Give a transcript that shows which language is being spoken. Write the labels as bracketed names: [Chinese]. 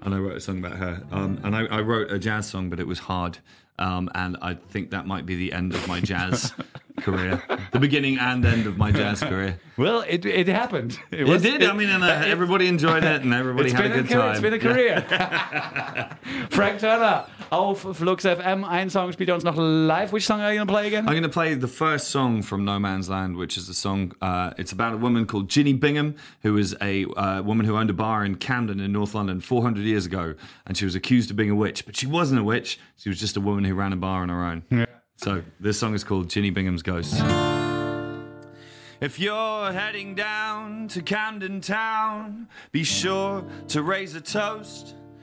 [English] And I wrote a song about her. And I wrote a jazz song, but it was hard. And I think that might be the end of my jazz career. The beginning and end of my jazz career. Well, it happened. I mean, and everybody enjoyed it, and everybody had a good time. It's been a career. [German] Frank Turner auf Flux FM, ein Song spielt uns noch live. [English] Which song are you going to play again? I'm going to play the first song from No Man's Land, which is a song, it's about a woman called Ginny Bingham, who was a woman who owned a bar in Camden in North London 400 years ago, and she was accused of being a witch, but she wasn't a witch, she was just a woman who ran a bar on her own. So this song is called Ginny Bingham's Ghost. If you're heading down to Camden Town, be sure to raise a toast